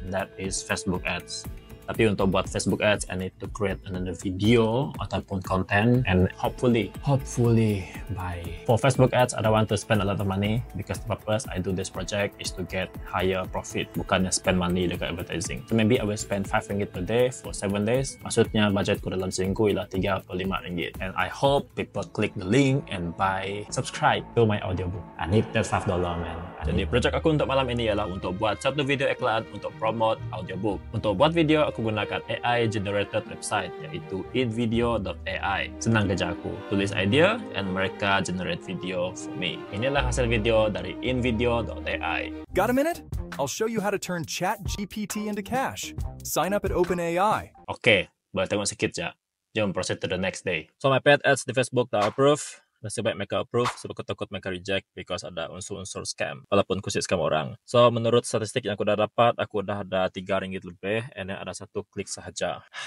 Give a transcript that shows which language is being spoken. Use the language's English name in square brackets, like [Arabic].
[English] That is Facebook ads. [Malay] Tapi untuk buat [English] Facebook ads, I need to create another video ataupun content, and hopefully buy. For Facebook ads, I don't want to spend a lot of money because the purpose I do this project is to get higher profit, [Malay] bukannya [English] spend money dekat advertising. So maybe I will spend 5 ringgit per day for 7 days. [Malay] Maksudnya budget ku dalam seminggu ialah 3-5 ringgit. [English] And I hope people click the link and buy subscribe to my audiobook. I need that $5, man. [Malay] Jadi projek aku untuk malam ini ialah untuk buat satu video iklan untuk promote audiobook. Untuk buat video, aku gunakan AI generated website, iaitu invideo.ai. Senang kerja aku. Tulis idea [English] and [Malay] mereka [English] generate video for me. [Malay] Inilah hasil video dari invideo.ai. [English] Got a minute? I'll show you how to turn ChatGPT into cash. Sign up at OpenAI. [Malay] Okay, boleh tengok sikit ya. [English] Jom proceed to the next day. So my paid ads di Facebook [Malay] dah approve. Masih baik mereka approve sebab aku takut mereka reject because ada unsur-unsur scam. Walaupun aku sih scam orang. So menurut statistik yang aku dah dapat, aku dah ada RM3 lebih and then ada satu klik sahaja.